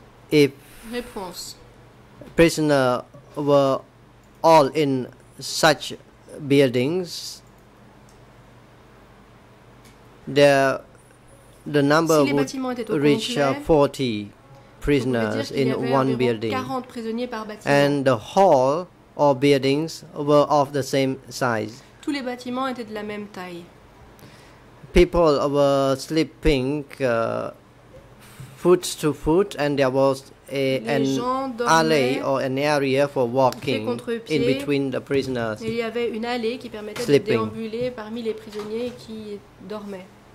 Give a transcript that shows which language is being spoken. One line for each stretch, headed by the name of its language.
English: If prisoners were all in such buildings, the number would reach 40 prisoners in one building. And the hall or buildings were of the same size.
French: Tous les bâtiments étaient de la même taille.
English: People were sleeping foot to foot, and there was an alley or an area for walking in between the prisoners.
French: Il y avait une allée qui permettait sleeping. De déambuler parmi les prisonniers qui dormaient.